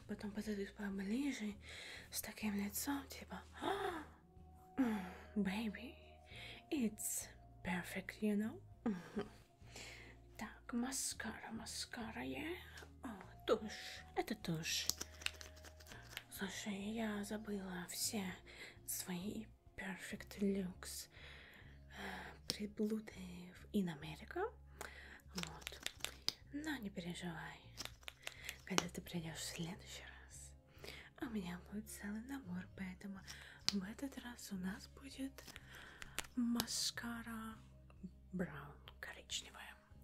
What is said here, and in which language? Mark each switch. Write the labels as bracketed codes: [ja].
[ru] Потом подойдут поближе с таким лицом, типа, [en] baby, it's perfect, you know? [ru] Так, маскара, маскара, yeah. О, тушь, это тушь. Слушай, я забыла все свои [en] perfect looks. [ru] Приблуды [en] in America. [ru] Вот. Но не переживай. Когда ты придешь в следующий раз, у меня будет целый набор. Поэтому в этот раз у нас будет маскара браун, коричневая.